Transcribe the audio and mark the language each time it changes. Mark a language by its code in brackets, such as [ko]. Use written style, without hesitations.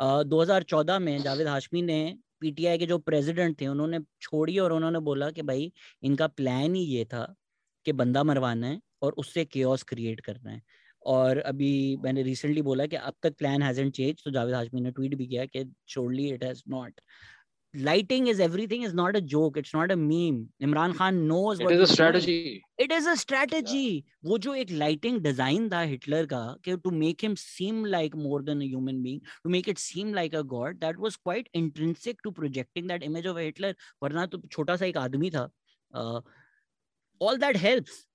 [ur] 2014 میں جاوید ہاشمی نے P T I کے جو پریزیڈنٹ تھے انہوں نے چھوڑی اور انہوں نے بولا کہ بھائی ان کا پلان ہی یہ تھا کہ بندہ مروانا ہے اور اس سے کیوس کریٹ کرنا ہے. اور ابھی میں نے ریسنٹلی بولا کہ اب تک پلان [en] hasn't change, [ur] تو جاوید ہاشمی نے ٹویٹ بھی کیا کہ [en] Surely it has not. Lighting is everything, is not a joke, it's not a meme. Imran Khan knows it is a strategy, it is a strategy. [ur] وہ جو ایک لائٹنگ ڈیزائن تھا Hitler کا, [en] کہ to make him seem like more than a human being, to make it seem like a god, that was quite intrinsic to projecting that image of Hitler. [ur] ورنہ تو چھوٹا سا ایک آدمی تھا. [en] All that helps.